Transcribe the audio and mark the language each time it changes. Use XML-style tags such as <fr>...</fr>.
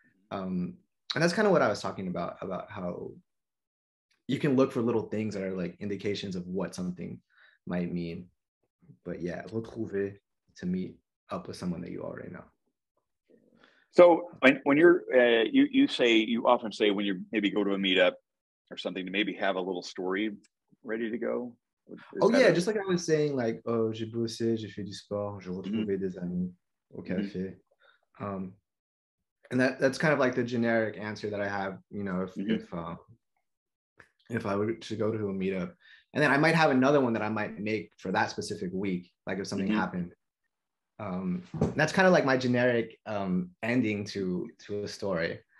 <en>And that's kind of what I was talking about how you can look for little things that are like indications of what something might mean. But yeah, retrouver, to meet up with someone that you already know. So when you're, you often say when you maybe go to a meetup or something to maybe have a little story ready to go. Just like I was saying, like, oh,</en> <fr>j'ai bossé, j'ai fait du sport, j'ai retrouvé des amis au café. Mm-hmm.</fr> <en>And that's kind of like the generic answer that I have, you know, if I were to go to a meetup. And then I might have another one that I might make for that specific week, like if something happened. That's kind of like my generic ending to a story.</en>